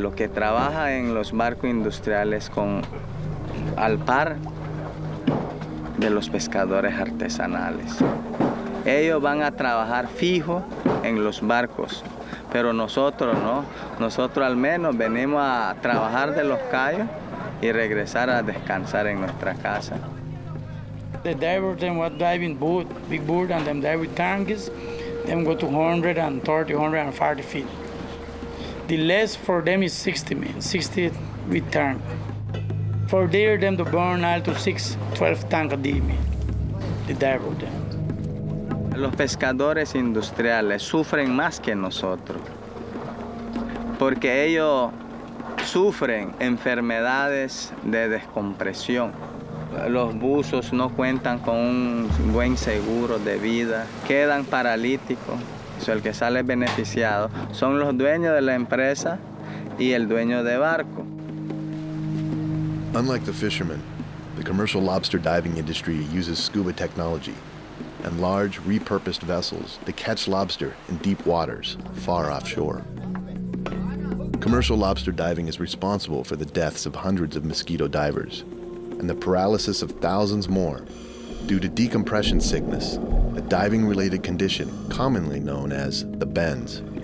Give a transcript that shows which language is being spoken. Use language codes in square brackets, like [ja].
[es] Los que trabajan en los barcos industriales con al par de los pescadores artesanales. Ellos van a trabajar fijo en los barcos. Pero nosotros no, nosotros al menos venimos a trabajar de los callos y regresar a descansar en nuestra casa. [en] The divers them what diving boat, big boat and them dive with tanks, them go to 130, 140 feet. The less for them is 60 men, 60 with tank. For there them to burn all to 6-12 tank a day, man. The divers them. [es] Los pescadores industriales sufren más que nosotros porque ellos sufren enfermedades de descompresión. Los buzos no cuentan con un buen seguro de vida, quedan paralíticos. O sea, el que sale beneficiado son los dueños de la empresa y el dueño de barco. [en] Unlike the fishermen, the commercial lobster diving industry uses scuba technology and large repurposed vessels to catch lobster in deep waters far offshore. Commercial lobster diving is responsible for the deaths of hundreds of mosquito divers and the paralysis of thousands more due to decompression sickness, a diving-related condition commonly known as the bends.